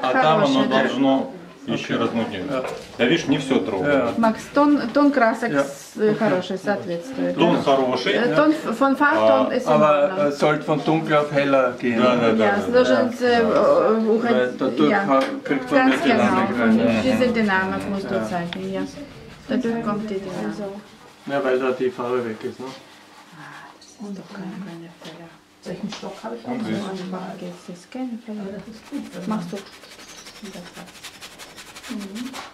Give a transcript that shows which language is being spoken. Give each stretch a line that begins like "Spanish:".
Russian: А там оно должно еще размутнее. Я вижу, не все трогаю. Макс, тон красок хороший, соответствует. Тон хороший. Тон
German: von Farbton ist aber sollte von dunkel auf heller gehen.
Russian: Да, да, да. Ja, должен уходить.
German: Ja, ganz genau. Diese Dynamik musst du zeigen, ja. Dadurch kommt die Dynamik. Ja, weil da die Farbe weg ist, ne? Und doch keine Felle. Solchen Stock habe ich auch nicht. Das machst du. Mhm.